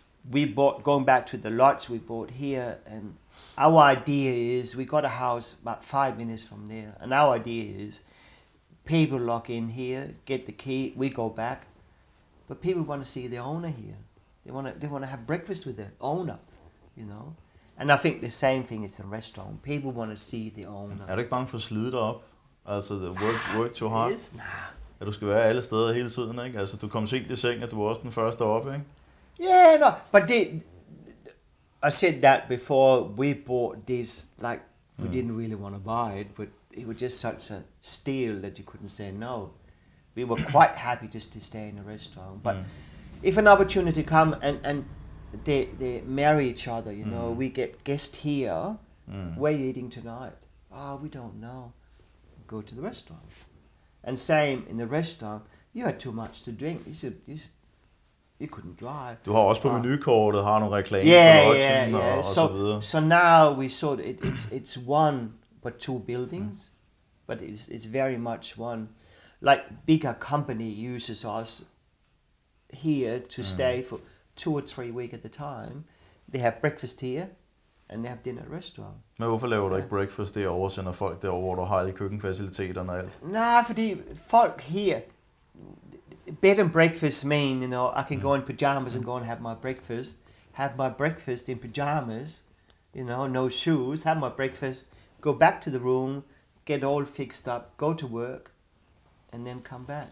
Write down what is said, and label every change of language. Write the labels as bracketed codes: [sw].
[en] We bought, going back to the lots we bought here, and our idea is, we got a house about 5 minutes from there, and our idea is people lock in here, get the key, we go back. But people want to see the owner here. They want to have breakfast with the owner, you know. And I think the same thing is in a restaurant. People want to see the owner. [da] Er du ikke bange for at slide dig op? Altså, [en] the work too hard? Yes, nah. [da] Ja, du skal være alle steder hele tiden, ikke? Altså, du kom sent i seng, at du var også den første op, ikke? [en] Yeah, no, but I said that before we bought this, like, we didn't really want to buy it, but it was just such a steal that you couldn't say no. We were quite happy just to stay in a restaurant. But if an opportunity come and they marry each other, you know, we get guests here, where are you eating tonight? Oh, we don't know. Go to the restaurant. And same in the restaurant, you had too much to drink. You couldn't drive. [da] Du har også på menukortet har nogle reklamer og så videre. [en] So now we saw that it's one but two buildings, but it's very much one. Like bigger company uses us here to stay for 2 or 3 weeks at a time. They have breakfast here, and they have dinner at a restaurant. [da] Men hvorfor laver du ikke breakfast derovre, sender folk derovre, hvor du har alle køkkenfaciliteterne og alt? Nej, fordi folk her, [en] bed and breakfast mean, you know, I can go in pajamas and go and have my breakfast in pajamas, you know, no shoes, have my breakfast, go back to the room, get all fixed up, go to work, and then come back.